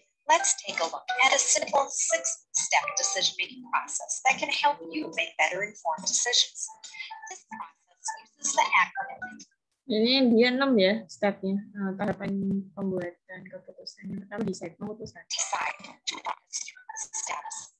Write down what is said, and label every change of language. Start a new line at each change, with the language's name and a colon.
English: Let's take a look at a simple 6-step decision-making process that can help you make better informed decisions. This process uses the acronym.
Indonesian: Ini dia 6 ya stepnya, tahapan pembuatan keputusan. Yang pertama, decide, keputusan.
English: Decide to process your status.